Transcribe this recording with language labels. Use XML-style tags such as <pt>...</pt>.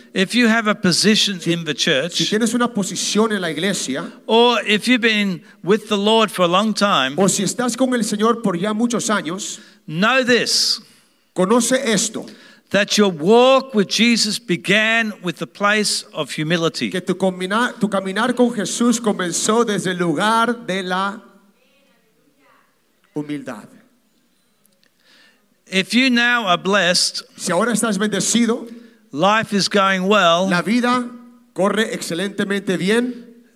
<en>if you have a position in the church,</en> <es>si tienes una posición en la iglesia,</es> <en>or if you've been with the Lord for a long time,</en> <es>o si estás con el Señor por ya muchos años,</es> <en>know this.</en> <es>Conoce esto.</es> <en>That your walk with Jesus began with the place of humility.</en> <es>Que tu caminar con Jesús comenzó desde el lugar de la humildad.</es> <en>If you now are blessed,</en> <es>si ahora estás bendecido,</es> <en>life is going well,</en> <es>la vida corre excelentemente bien,</es>